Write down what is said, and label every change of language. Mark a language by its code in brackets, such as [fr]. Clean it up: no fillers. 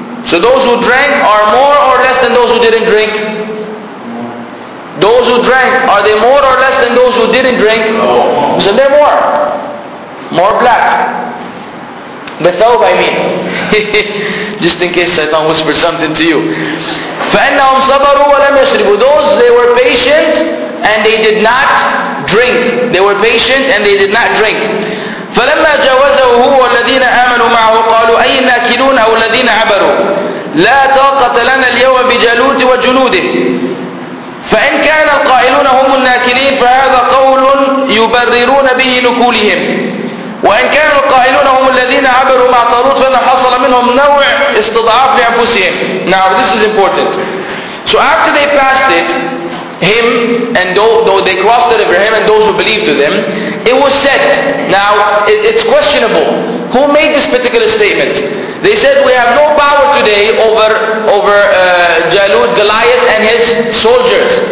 [en] So those who drank are more or less than those who didn't drink? Those who drank, are they more or less than those who didn't drink? So they're more. More black. The thawb, I mean. Just in case Satan whispered something to you. [ar] فَإِنَّهُمْ صَبَرُوا وَلَمْ يَشْرِبُوا. [en] Those, they were patient and they did not drink. They were patient and they did not drink. [ar] فلما جاوزه هو والذين آمنوا معه قالوا أي الناكلون أو الذين عبروا لا طاقة لنا اليوم بجالوت وجنوده فإن كان القائلون هم الناكلين فهذا قول يبررون به نكولهم وإن كان القائلون هم الذين عبروا مع طالوت فإن حصل منهم نوع استضعاف لأنفسهم. [en] Now this is important. So after they passed it, him and though they crossed the river, him and those who believed to them, it was said. Now it's questionable who made this particular statement. They said, we have no power today over Jalut, Goliath and his soldiers.